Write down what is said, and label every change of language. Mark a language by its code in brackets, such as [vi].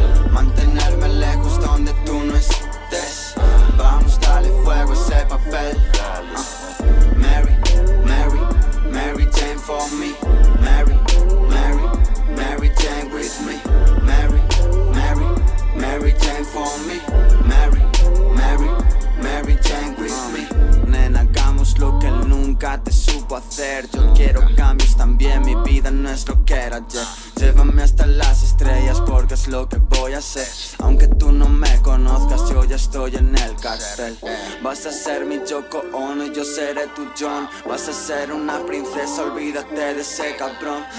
[es] Mantenerme lejos donde tú no estés. Vamos, dale fuego a ese papel. [en] Mary, Mary, Mary Jane for me. Mary, Mary, Mary Jane with me. Mary, Mary, Mary Jane for me. Mary, Mary, Mary Jane with me. [es] Nena, lo que él nunca te supo hacer. Yo quiero cambios también. Mi vida no es lo que era ayer. Llévame hasta las estrellas porque es lo que voy a hacer. Aunque tú no me conozcas, yo ya estoy en el cartel. Vas a ser mi Yoko Ono y yo seré tu John. Vas a ser una princesa, olvídate de ese cabrón.